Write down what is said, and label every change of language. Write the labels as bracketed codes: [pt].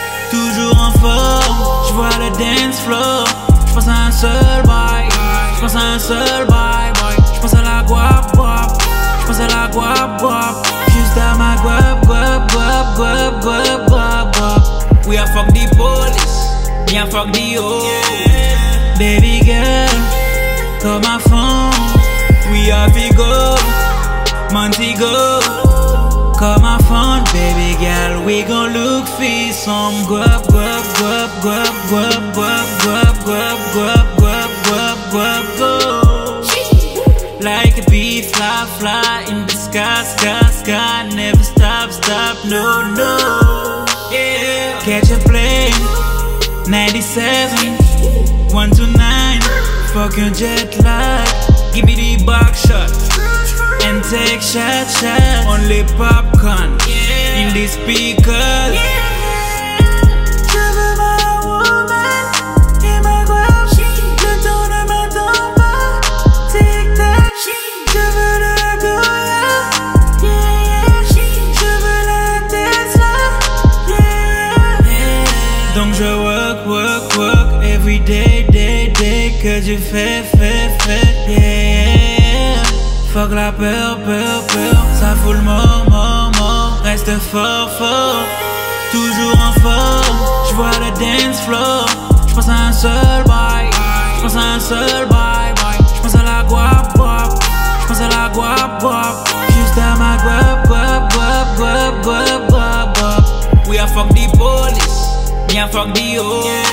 [fr] Toujours en forme, je vois le dance floor. Je pense à un seul bye, je pense à un seul bye. Je pense à la guap guap, je pense à la guap guap. Juste à ma guap guap guap guap guap guap guap. [en] We are fuck the police, we are fuck the hoes. Yeah. Baby girl, [fr] comme à fond, [en] we are Vigo, Montego. [fr] Comme à fond, [en] baby girl, we gon' look for some guap guap guap guap guap guap guap guap guap guap guap guap guap. Like a bee fly fly in the sky sky sky, never stop stop no no. Yeah. Catch a plane, 97, 129. Fuck your jet lag, give me the back shot and take shot shot. Only popcorn, yeah, in the speakers. Yeah. [fr] Je veux ma woman et ma guap. Le temps ne m'attend pas, tic tac. Je veux la Goya, yeah yeah. Je veux la Tesla, yeah yeah. Donc je [en] work work work every day day day, [fr] que je fais fais fais, [en] yeah yeah. [fr] Fuck la peur, peur, peur, ça fout le mort, mort, mort. Reste fort, fort, toujours en forme. J'vois le dance floor, j'pense à un seul bye, j'pense à un seul bye bye. J'pense à la guap guap, j'pense à la guap guap. Juste à ma guap guap guap guap guap guap guap. [en] We are fuck the police, we are fuck the hoes.